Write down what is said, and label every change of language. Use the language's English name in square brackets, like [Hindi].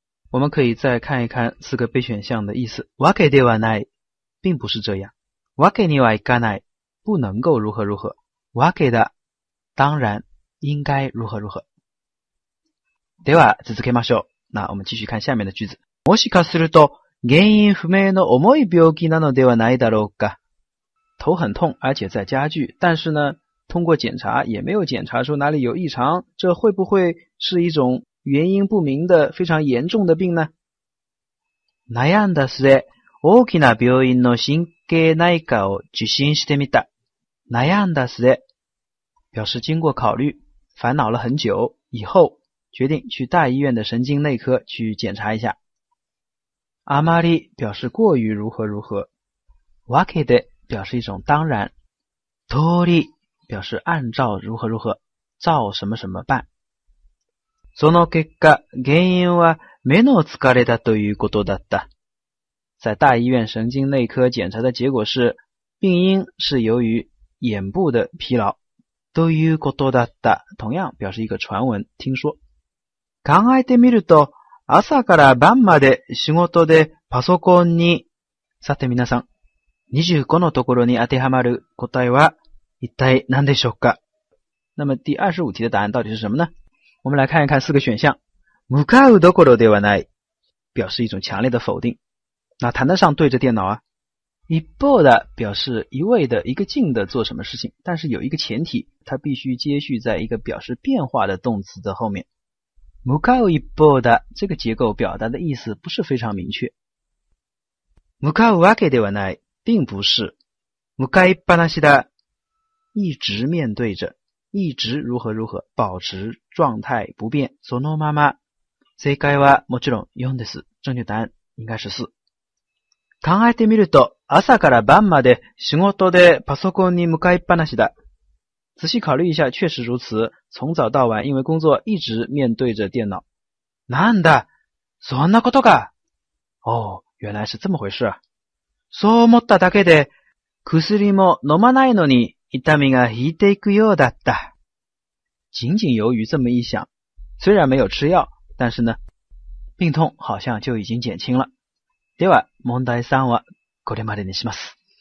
[Chinese] 我们可以再看一看四个备选项的意思。 [Japanese] わけではない [Chinese] 并不是这样。 [Japanese] わけにはいかない [Chinese] 不能够如何如何。 [Japanese] わけだ [Chinese] 当然应该如何如何。 [Japanese] では続けましょう。 [Chinese] 那我们继续看下面的句子。 [Japanese] もしかすると原因不明の重い病気なのではないだろうか。 [Chinese] 头很痛，而且在加剧，但是呢，通过检查也没有检查出哪里有异常，这会不会是一种原因不明的非常严重的病呢？ [Japanese] 悩んだ末、大きな病院の神経内科を受診してみた。 [Chinese] 悩んだ末、表示经过考虑，烦恼了很久，以后决定去大医院的神经内科去检查一下。あまり表示过于如何如何。わけで表示一种当然。通り表示按照如何如何，照什么什么办。 [Japanese] その結果、原因は目の疲れだということだった。 [Chinese] 在大医院神经内科检查的结果是，病因是由于眼部的疲劳。 [Japanese] ということだった。 [Chinese] 同样表示一个传闻、听说。 [Japanese] 考えてみると、朝から晩まで仕事でパソコンに。さて皆さん、25のところに当てはまる答えは一体何でしょうか？ [Chinese] 那么第25题的答案到底是什么呢？我们来看一看四个选项。 [Japanese] 向かうどころではない， [Chinese] 表示一种强烈的否定。哪谈得上对着电脑啊？ [Japanese] 一方的， [Chinese] 表示一味的、一个劲的做什么事情，但是有一个前提，它必须接续在一个表示变化的动词的后面。 [Japanese] 向かう一方的， [Chinese] 这个结构表达的意思不是非常明确。 [Japanese] 向かうわけではない， [Chinese] 并不是。 [Japanese] 向かいっぱなしだ， [Chinese] 一直面对着。一直如何如何，保持状态不变。 [Japanese] そのまま。正解はもちろん4です。 [Chinese] 正确答案应该是4。 [Japanese] 考えてみると、朝から晩まで仕事でパソコンに向かいっぱなしだ。 [Chinese] 仔细考虑一下，确实如此。从早到晚，因为工作一直面对着电脑。 [Japanese] なんだ、そんなことか。 [Chinese] 哦，原来是这么回事啊。 [Japanese] そう思っただけで、薬も飲まないのに。痛みが引いていくようだった。 [Chinese] 仅仅由于这么一想，虽然没有吃药，但是呢，病痛好像就已经减轻了。 [Japanese] では、問題3はこれまでにします。